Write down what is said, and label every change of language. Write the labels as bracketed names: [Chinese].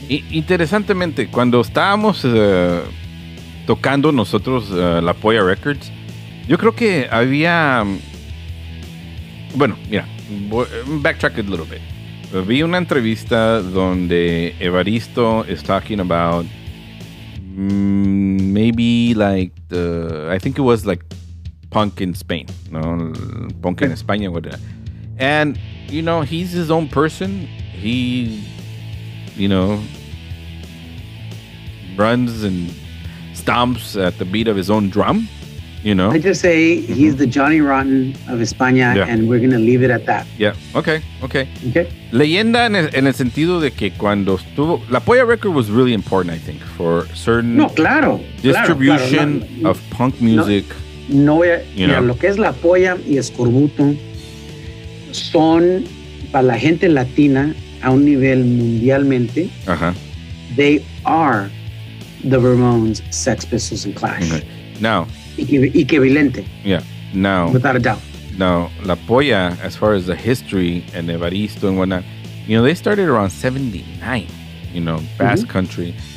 [Spanish] Interesantemente, cuando estábamos tocando nosotros la Polla Records, yo creo que había... Bueno, mira, [English] backtrack it a little bit. [Spanish] Vi una entrevista donde [English] Evaristo is talking about maybe like the... I think it was like punk in Spain, no, punk in España, whatever. And you know, he's his own person. He, you know, runs and stomps at the beat of his own drum. You know, I just say he's the Johnny Rotten of España, and we're gonna leave it at that. Yeah. Okay. [Spanish] Leyenda en el sentido de que cuando estuvo [English] La Polla Record was really important, I think, for certain distribution of punk music. [Spanish] No, lo que es La Polla y Escorbuto son para la gente latina a un nivel mundialmente. Uh-huh. [English] They are the Ramones, Sex Pistols, and Clash. Mm-hmm. Now. [Spanish] Y que Vilente. [English] Yeah. Now. Without a doubt. Now, La Polla, as far as the history and Evaristo and whatnot, you know, they started around 79, you know, Basque Country.